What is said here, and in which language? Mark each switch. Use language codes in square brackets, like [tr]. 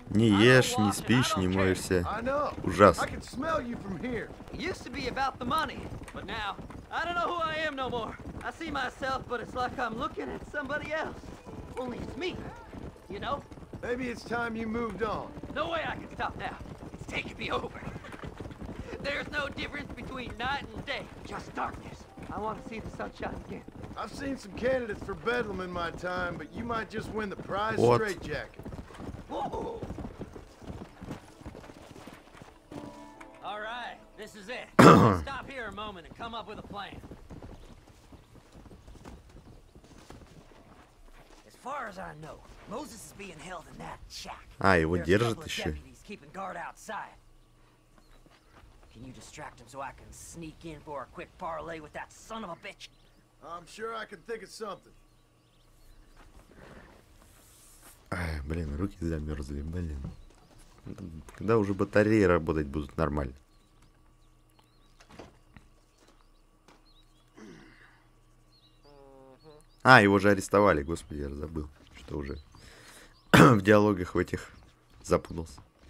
[ru] Не ешь, не спишь, не моешься. [en] I know. [ru] Ужасно. [en] I can smell you from here. It used to be about the money, but now I don't know who I am no more. I see myself, but it's like I'm looking at somebody else. Only it's me, you know? Maybe it's time you moved on. No way I can stop now. It's taking me over. There's no difference between night and day, just darkness. I want to see the sunshine again. I've seen some candidates for Bedlam in my time, but you might just win the prize what? Straitjacket. Whoa! All right, this is it. Stop here a moment and come up with a plan. As far as I know, Moses is being held in that shack. [ru] А, его держат еще. [en] He's keeping guard outside. Can you distract him so I can sneak in for a quick parlay with that son of a bitch? I'm sure I can think of something. [ru] Ай, блин, руки замерзли, блин. Когда уже батареи работать будут нормально? А, его же арестовали, господи, я забыл, что уже в диалогах в этих запутался.